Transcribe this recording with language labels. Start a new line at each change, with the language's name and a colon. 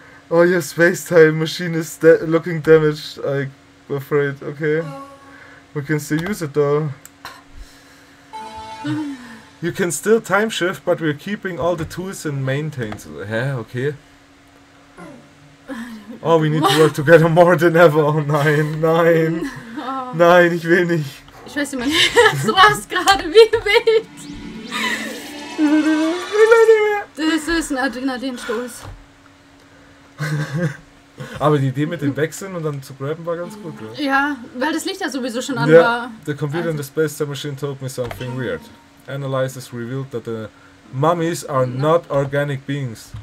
English: your space time machine is looking damaged, I'm afraid, okay? We can still use it though. You can still time shift, but we're keeping all the tools and maintains. Hä? Okay. Oh, we need to work together more than ever.
German: Oh nein, nein. Oh. Nein, ich will nicht. Ich weiß nicht, mein Herz rast gerade wie wild. Das ist ein Adrenalinstoß. Aber die Idee mit dem Wechseln und dann zu grabben war ganz gut, oder? Ja, weil das Licht ja sowieso schon an war.
English: The computer in the Space Time Machine told me something weird. Analysis revealed that the mummies are not organic beings.